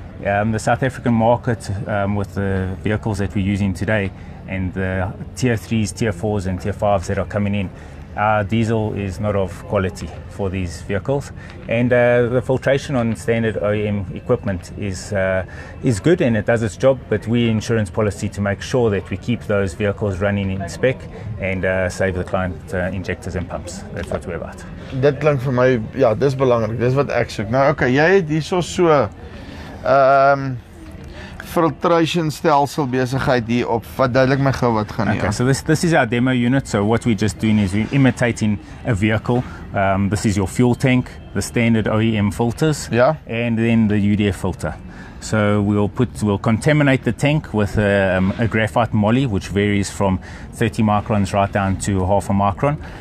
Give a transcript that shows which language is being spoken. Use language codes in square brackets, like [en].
[en] The South African market, with the vehicles that we're using today, and the tier 3s, tier 4s and tier 5s that are coming in, our diesel is not of quality for these vehicles, and the filtration on standard OEM equipment is good and it does its job, but we insurance policy to make sure that we keep those vehicles running in spec and save the client injectors and pumps. That's what we're about. [af] Dit klink vir my, ja, dis belangrik, dis wat ek soek. Nou, okay, jy het hierso so filtration stelsel besigheid hier op, wat duidelik my gou wat gaan hier. [en] Okay, so this is our demo unit. So what we're just doing is we're imitating a vehicle. This is your fuel tank, the standard OEM filters, yeah, and then the UDF filter. So we'll contaminate the tank with a graphite moly, which varies from 30 microns right down to half a micron.